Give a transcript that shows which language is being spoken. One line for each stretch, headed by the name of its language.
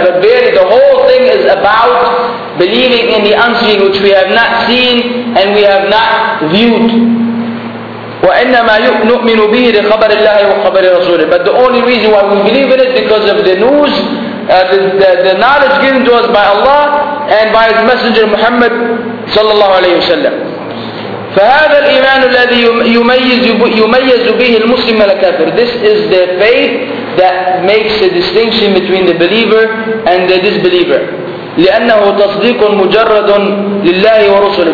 English: But really the whole thing is about believing in the unseen, which we have not seen and we have not viewed.
Arabic: وَإِنَّمَا نُؤْمِنُ بِهِ لِخَبَرِ اللَّهِ وَخَبَرِ رَسُولِهِ.
English: But the only reason why we believe in it because of the news, the knowledge given to us by Allah and by His Messenger Muhammad صلى الله عليه وسلم.
Arabic: فهذا الإيمان الذي يميز به المسلم من الكافر.
English: This is the faith that makes a distinction between the believer and the disbeliever.
Arabic: لأنه تصديق مجرد لله ورسله.